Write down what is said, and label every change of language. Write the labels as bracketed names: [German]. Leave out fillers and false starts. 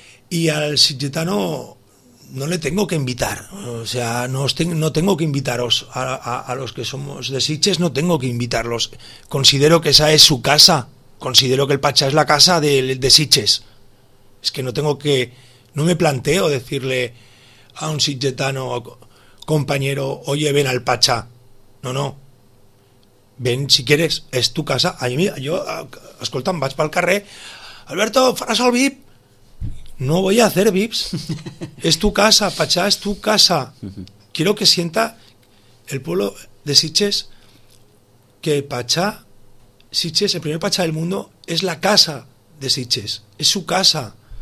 [Spanish] Y al illetano no le tengo que invitar, o sea, no tengo que invitaros a los que somos de Sitges, no tengo que invitarlos. Considero que esa es su casa, considero que el Pachá es la casa de Sitges. Es que no me planteo decirle a un sitgetano o compañero, oye, ven al Pachá. No, ven si quieres, es tu casa. Ay, mira, yo, [Catalan] escolta'm, vaig pel carrer, Alberto, faràs el VIP? [Spanish] No voy a hacer VIPs. Es tu casa, Pachá, es tu casa. Quiero que sienta el pueblo de Sitges que Pachá, Sitges, el primer Pachá del mundo, es la casa de Sitges. Es su casa.